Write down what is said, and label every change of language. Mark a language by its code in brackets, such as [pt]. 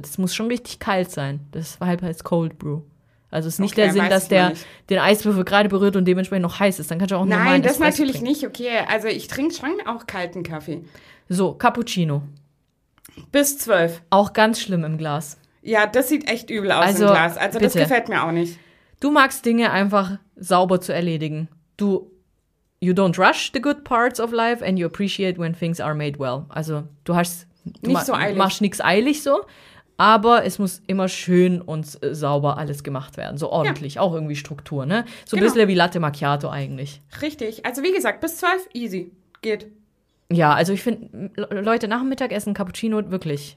[de] Das muss schon richtig kalt sein. Das heißt Cold Brew. Also es ist nicht der Sinn, dass der den Eiswürfel gerade berührt und dementsprechend noch heiß ist. Dann kannst du auch normalen Espresso natürlich trinken. Nicht, okay. Also ich trinke schon auch kalten Kaffee. So, Cappuccino. Bis 12. Auch ganz schlimm im Glas. Ja, das sieht echt übel aus im Glas. Also bitte. Das gefällt mir auch nicht. Du magst Dinge einfach sauber zu erledigen. [en] You don't rush the good parts of life and you appreciate when things are made well. [de] Also machst nichts eilig so. Aber es muss immer schön und sauber alles gemacht werden. So ordentlich. Ja. Auch irgendwie Struktur, ne? So ein bisschen wie Latte Macchiato eigentlich. Richtig. Also wie gesagt, bis 12, easy. Geht. Ja, also ich finde, Leute, nach dem Mittagessen Cappuccino, wirklich.